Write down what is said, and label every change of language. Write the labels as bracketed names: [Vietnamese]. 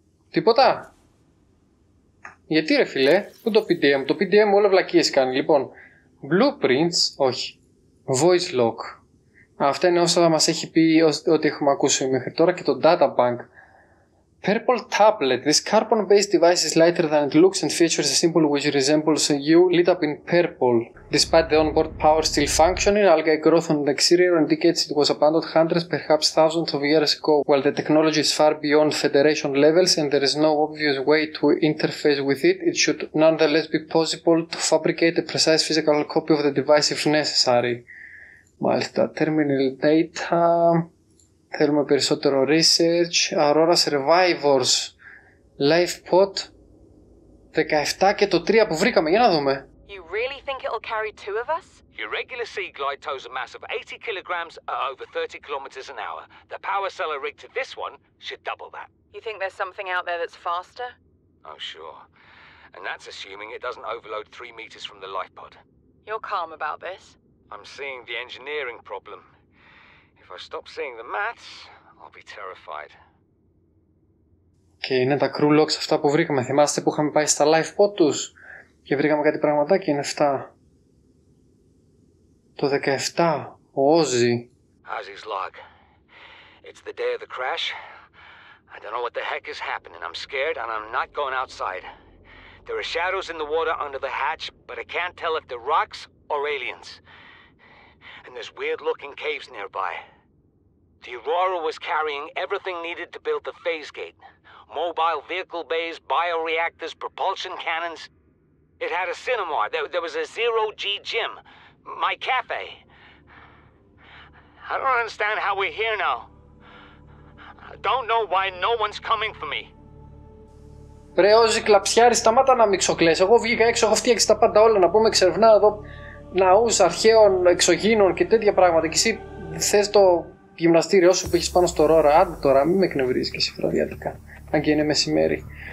[Greek] Τίποτα! Γιατί ρε φίλε, πού το PDM, το PDM όλα βλακίες κάνει, λοιπόν. Blueprints, όχι. Voice lock. Αυτά είναι όσα μας έχει πει ό,τι έχουμε ακούσει μέχρι τώρα και το Data Bank. [English] Purple tablet. This carbon-based device is lighter than it looks and features a symbol which resembles a U lit up in purple. Despite the onboard power still functioning, algae growth on the exterior indicates it was abandoned hundreds, perhaps thousands of years ago. While the technology is far beyond Federation levels and there is no obvious way to interface with it, it should nonetheless be possible to fabricate a precise physical copy of the device if necessary. [Greek] Μάλιστα, terminal data. Θέλουμε περισσότερο research. Aurora Survivors Life Pod 17 και το 3 που βρήκαμε. Για να δούμε. [English] You really think it'll carry two of us? Your regular sea glide tows a mass of 80 kilograms at over 30 kilometers an hour. The power cell rigged to this one should double that. You think there's something out there that's faster? Oh, sure. And that's assuming it doesn't overload 3 meters from the life pod. You're calm about this. I'm seeing the engineering problem. If I stop seeing the maths, I'll be terrified. [Greek] Και είναι τα crew logs αυτά που βρήκαμε. Θυμάστε που είχαμε πάει στα live pod τους και βρήκαμε κάτι πραγματάκι, είναι 7. Το 17, ο Όζι. [English] How's his log? It's the day of the crash. I don't know what the heck is happening. I'm scared and I'm not going outside. There are shadows in the water under the hatch, but I can't tell if they're rocks or aliens. And there's weird-looking caves nearby. The Aurora was carrying everything needed to build the phase gate. Mobile vehicle bays, bioreactors, propulsion cannons. It had a cinema. There was a zero-G gym. My cafe. I don't understand how we're here now. I don't know why no one's coming for me. [Greek] Ρε Όζη Κλαψιάρη, σταμάτα να μιξοκλές. Εγώ βγήκα έξω, έχω φτιάξει τα πάντα όλα, να πούμε εξερευνά εδώ ναούς αρχαίων εξωγήνων και τέτοια πράγματα και εσύ θες το γυμναστήριό σου που έχεις πάνω στο Aurora. Άντε τώρα, μην με εκνευρίζεις και εσύ φραδιατικά, αν και είναι μεσημέρι.